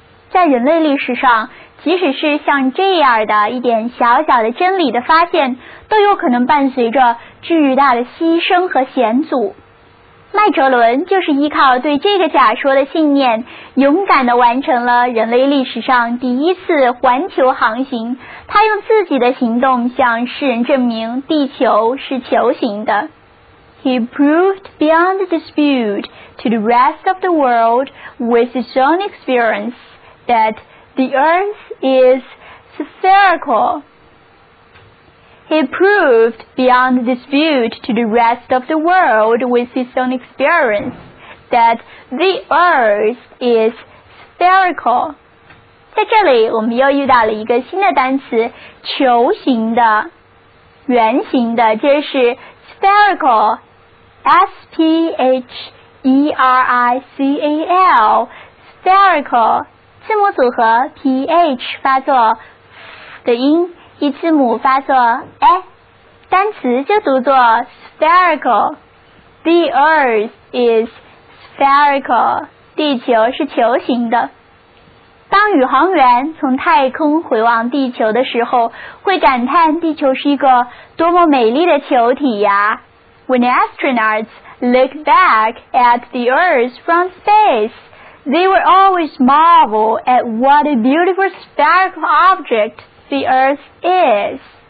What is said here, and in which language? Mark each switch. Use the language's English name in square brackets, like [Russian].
[Chinese] 在人类历史上，即使是像这样的一点小小的真理的发现，都有可能伴随着巨大的牺牲和险阻。麦哲伦就是依靠对这个假说的信念，勇敢地完成了人类历史上第一次环球航行。他用自己的行动向世人证明地球是球形的。 [English] He proved beyond dispute to the rest of the world with his own experience that the Earth is spherical. He proved beyond dispute to the rest of the world with his own experience that the earth is spherical. [Chinese] 在这里我们又遇到了一个新的单词，球形的、圆形的，这是 spherical, S-P-H-E-R-I-C-A-L, spherical, 字母组合 P-H 发作 F 的音。一字母发作 a， 单词就读作 spherical。 [English] The earth is spherical， [Chinese] 地球是球形的。当宇航员从太空回望地球的时候，会感叹地球是一个多么美丽的球体呀。 [English] When astronauts look back at the Earth from space, they will always marvel at what a beautiful spherical object the Earth is.